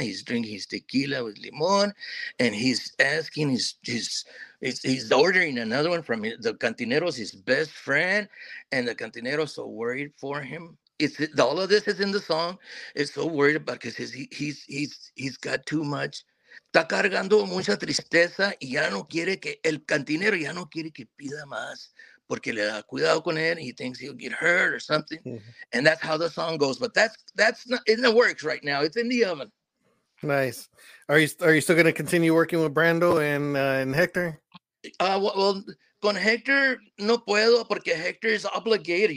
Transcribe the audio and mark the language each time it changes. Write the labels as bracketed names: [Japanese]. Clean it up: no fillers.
[English] He's drinking his tequila with limon, and he's asking he's ordering another one from the cantinero's his best friend, and the cantinero's so worried for him. All of this is in the song. It's so worried about it because he's got too much. [Spanish] Está cargando mucha tristeza y ya no quiere que el cantinero ya no quiere que pida más porque le da cuidado con él. [English] He thinks he'll get hurt or something, and that's how the song goes. But that's not in the works right now. It's in the oven. Nice. Are you still going to continue working with Brando and Hector? [Spanish] Con Hector no puedo porque Hector [English] is obligated.